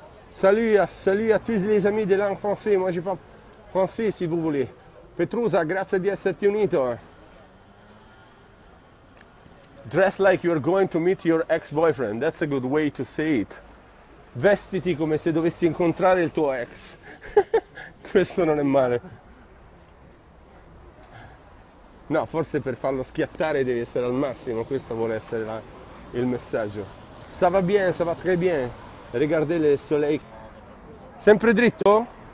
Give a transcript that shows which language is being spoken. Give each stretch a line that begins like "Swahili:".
French: Salut à tous les amis de langue française, moi je parle français si vous voulez.
Italian: Petrusa, grazie di esserti unito.
English: Dress like you're going to meet your ex-boyfriend, that's a good way to say it.
Italian: Vestiti come se dovessi incontrare il tuo ex. Questo non è male. No, forse per farlo schiattare devi essere al massimo, questo vuole essere il messaggio.
French: Ça va très bien, regardez le soleil.
Italian: Sempre dritto?